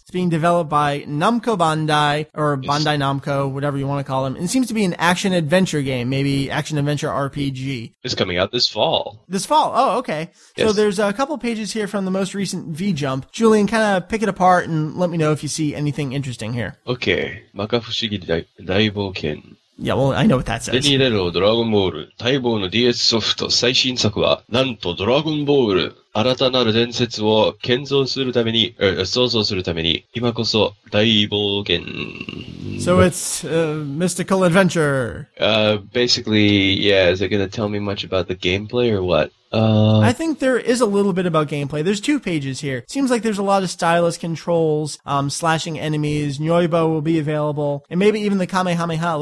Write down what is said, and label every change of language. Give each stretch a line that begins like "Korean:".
English: It's being developed by Namco Bandai, or yes, Bandai Namco, whatever you want to call them. And it seems to be an action-adventure game, maybe action-adventure RPG. It's coming out this fall. This fall? Oh, okay. Yes. So there's a couple pages here from the most recent V-Jump. Julian, kind of pick it apart and let me know if you see anything interesting here. Okay. Makafushigi Daibouken. Yeah, well, I know what that says.
Japanese: 手に入れるドラゴンボール待望の DS ソフト最新作はなんとドラゴンボール新たなる伝説を建造するために創造するために今こそ大冒険。
English: So it's mystical adventure. Basically, yeah, is it going to tell me much about the gameplay or what? I think there is a little bit about gameplay. There's two pages here. Seems like there's a lot of stylus controls, slashing enemies, Nyoibo will be available, and maybe even the Kamehameha.